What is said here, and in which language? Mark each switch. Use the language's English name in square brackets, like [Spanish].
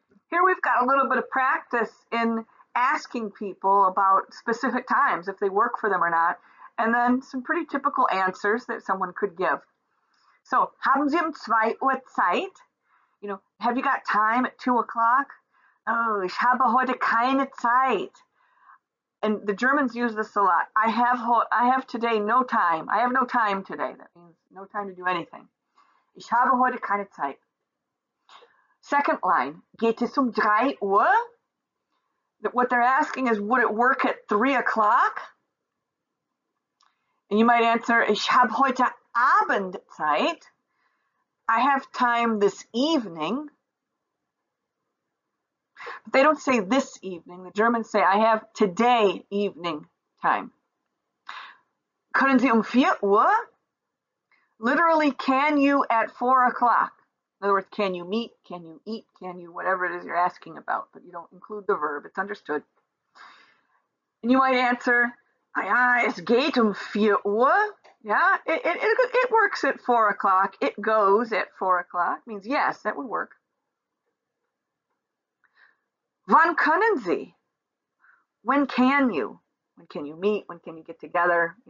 [English] Here we've got a little bit of practice in asking people about specific times, if they work for them or not, and then some pretty typical answers that someone could give. [German] So, haben Sie zwei Uhr Zeit? [English] Have you got time at 2 o'clock? [German] Oh, ich habe heute keine Zeit. [English] And the Germans use this a lot. I have today no time. I have no time today. That means no time to do anything. [German] Ich habe heute keine Zeit. [English] Second line, [German] geht es 3 Uhr? [English] What they're asking is, would it work at 3 o'clock? And you might answer, [German] ich habe heute Abend Zeit. [English] I have time this evening. But they don't say this evening. The Germans say, I have today evening time. [German] Können Sie 4 Uhr? [English] Literally, can you at 4 o'clock? In other words, can you meet? Can you eat? Can you whatever it is you're asking about? But you don't include the verb. It's understood. And you might answer, ah, [German] es geht 4 Uhr. [English] Yeah, it works at 4 o'clock. It goes at 4 o'clock. Means yes, that would work. [German] Wann können Sie? [English] When can you? When can you meet? When can you get together?